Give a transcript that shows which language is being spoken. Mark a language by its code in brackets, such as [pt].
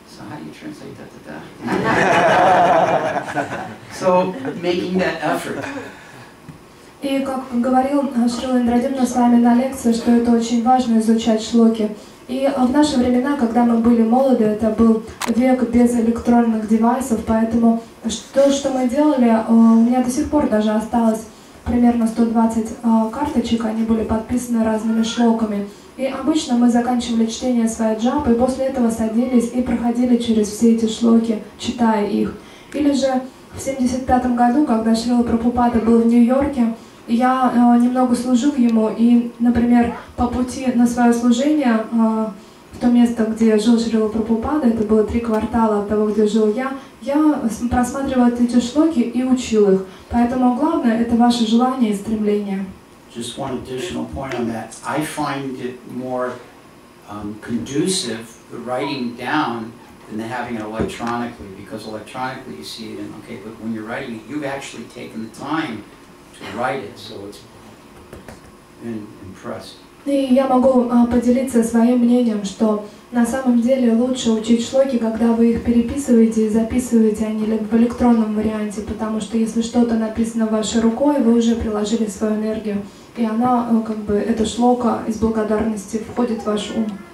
[en] So how do you translate that to that? So making that effort. [ru] И как говорил Шрила Индрадюмна с вами на лекции, что это очень важно изучать шлоки. И в наши времена, когда мы были молоды, это был век без электронных девайсов, поэтому то, что мы делали, у меня до сих пор даже осталось примерно 120 карточек, они были подписаны разными шлоками. И обычно мы заканчивали чтение своей джапы, и после этого садились и проходили через все эти шлоки, читая их. Или же в 75-м году, когда Шрила Прабхупада был в Нью-Йорке, я немного служил ему, и, например, по пути на свое служение в то место, где жил Шрила Прабхупада, это было три квартала от того, где жил я просматривал эти шлоки и учил их. Поэтому главное – это ваше желание и стремление. [en] Just one additional point on that. I find it more conducive, the writing down, than having it electronically, because electronically you see it, and okay, but when you're writing it, you've actually taken the time write it, so it's impressed. [ru] И я могу поделиться своим мнением, что на самом деле лучше учить шлоки, когда вы их переписываете и записываете, а не в электронном варианте, потому что если что-то написано вашей рукой, вы уже приложили свою энергию, и она, как бы, эта шлока из благодарности входит в ваш ум.